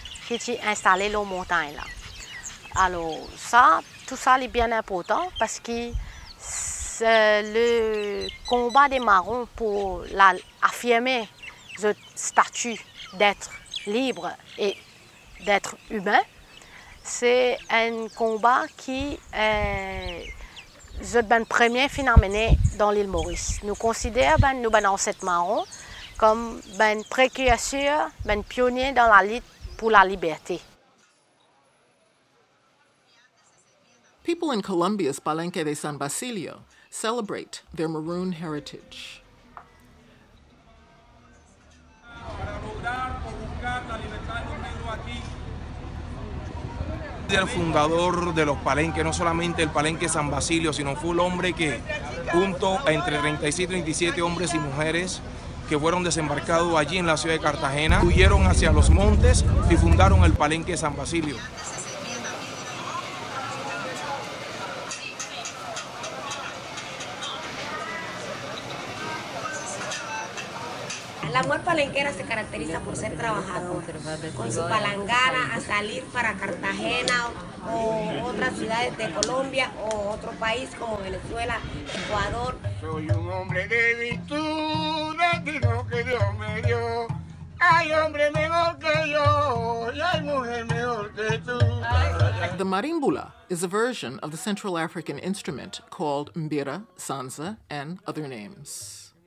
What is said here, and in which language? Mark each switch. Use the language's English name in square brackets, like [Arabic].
[French] Qui est installé dans la montagne là. Alors ça, tout ça est bien important parce que le combat des Marrons pour affirmer le statut d'être libre et d'être humain, c'est un combat qui est le premier phénomène dans l'île Maurice. Nous considérons nous ben ancêtres Marrons comme ben précurseur, ben pionnier dans la lutte pour la liberté. [English] People in Colombia's Palenque de San Basilio celebrate their Maroon heritage. [Spanish] Para lograr, por buscar la el fundador de los palenques, no solamente el palenque San Basilio, sino fue el hombre que, junto a entre 36 y 37 hombres y mujeres que fueron desembarcados allí en la ciudad de Cartagena, huyeron hacia los montes y fundaron el palenque San Basilio. La mujer palenquera se caracteriza por ser trabajadora, con su palangana a salir para Cartagena o otras ciudades de Colombia o otro país como Venezuela, Ecuador. Soy un hombre de virtudes, digo que Dios me dio. Hay hombre mejor que yo y hay mujer mejor que tú. [English] The marimbula is a version of the Central African instrument called mbira, sansa, and other names.